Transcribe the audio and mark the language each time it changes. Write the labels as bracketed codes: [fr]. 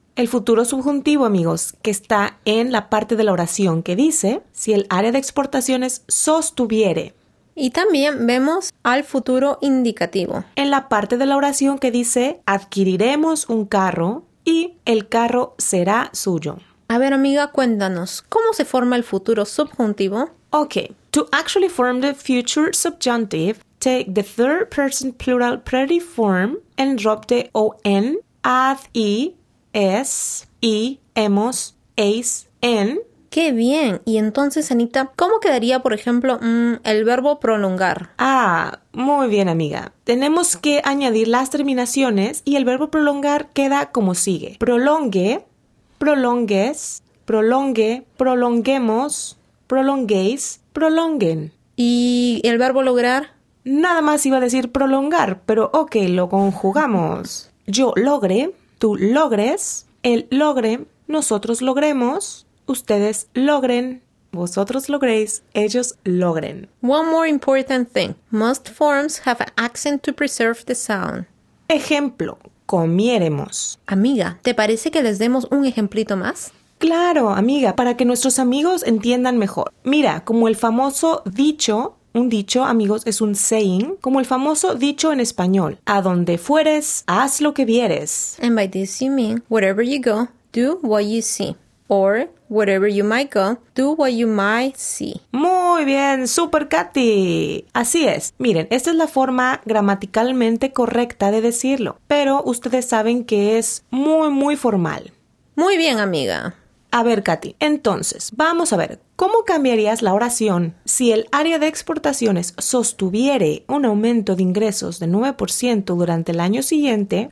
[es] El futuro subjuntivo, amigos, que está en la parte de la oración que dice, si el área de exportaciones sostuviere. Y también vemos al futuro indicativo. En la parte de la oración que dice, adquiriremos un carro y el carro será suyo. A ver, amiga, cuéntanos, ¿cómo se forma el futuro subjuntivo? [en] Ok, to actually form the future subjunctive, take the third person plural predicative form and drop the on, ad, I, es, I, hemos, eis, en. [es] ¡Qué bien! Y entonces, Anita, ¿cómo quedaría, por ejemplo, el verbo prolongar? Ah, muy bien, amiga. Tenemos que añadir las terminaciones y el verbo prolongar queda como sigue. Prolongue, prolongues, prolongue, prolonguemos, prolonguéis, prolonguen. ¿Y el verbo lograr? Nada más iba a decir prolongar, pero ok, lo conjugamos. Yo logre, tú logres, él logre, nosotros logremos, ustedes logren, vosotros logréis, ellos logren. [en] One more important thing. Most forms have an accent to preserve the sound. [es] Ejemplo, comiéremos. Amiga, ¿te parece que les demos un ejemplito más? Claro, amiga, para que nuestros amigos entiendan mejor. Mira, como el famoso dicho... Un dicho, amigos, es un saying, como el famoso dicho en español. A donde fueres, haz lo que vieres. [en] And by this you mean, wherever you go, do what you see. Or, wherever you might go, do what you might see. [es] ¡Muy bien! ¡Súper, Katy! Así es. Miren, esta es la forma gramaticalmente correcta de decirlo. Pero ustedes saben que es muy, muy formal. Muy bien, amiga. A ver, Katy, entonces, vamos a ver, ¿cómo cambiarías la oración si el área de exportaciones sostuviere un aumento de ingresos de 9% durante el año siguiente?